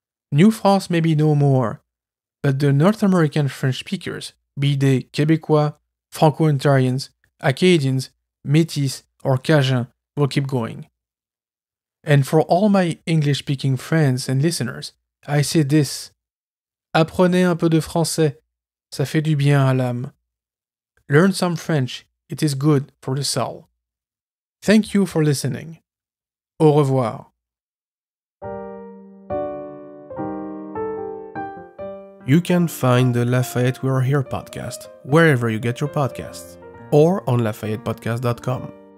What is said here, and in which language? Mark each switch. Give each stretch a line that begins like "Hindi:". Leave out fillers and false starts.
English: New France may be no more, but the North American French speakers, be they Quebecois, Franco-Ontarians, Acadians, Métis, or Cajun, will keep going. And for all my English-speaking friends and listeners, I say this.
French: Apprenez un peu de français, ça fait du bien à l'âme.
English: Learn some French, it is good for the soul. Thank you for listening. Au revoir. You can find the Lafayette We Are Here podcast wherever you get your podcasts or on lafayettepodcast.com.